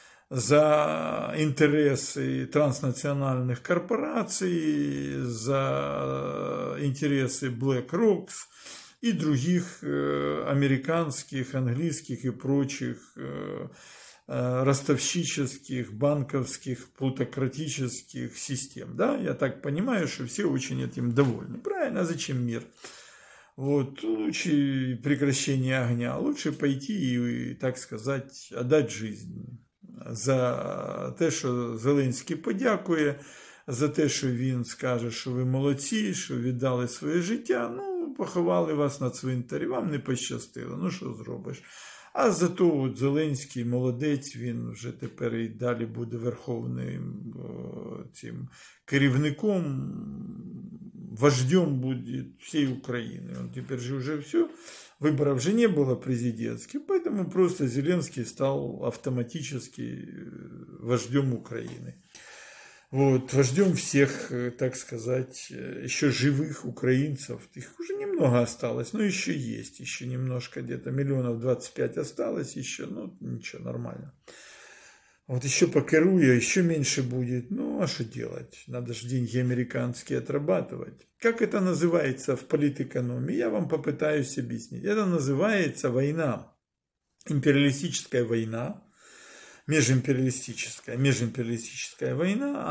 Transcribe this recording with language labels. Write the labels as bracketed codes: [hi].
[ru] за интересы транснациональных корпораций, за интересы BlackRock и других американских, английских и прочих ростовщических, банковских, плутократических систем. Да, я так понимаю, что все очень этим довольны. Правильно, а зачем мир? Вот, лучше прекращение огня, лучше пойти и так сказать, отдать жизнь. [uk] За те, що Зеленський подякує, за те, що він скаже, що ви молодці, що віддали своє життя, ну, поховали вас на цвинтарі, вам не пощастило, ну, що зробиш. А зато от Зеленський молодець, він вже тепер і далі буде верховним цим керівником, вождем буде всієї України. Він тепер же вже все, виборів вже не було президентських, поэтому просто Зеленський став автоматично вождем України. Вот, вождем всіх, так сказати, ще живих українців, їх вже [ru] немного осталось, [uk] ну ще є, ще немножко, десь мільйонів 25 осталось, ще, ну нічого, нормально. [ru] Вот еще по Керуе еще меньше будет. Ну, а что делать? Надо же деньги американские отрабатывать. Как это называется в политэкономии? Я вам попытаюсь объяснить. Это называется война. Империалистическая война. Межимпериалистическая война.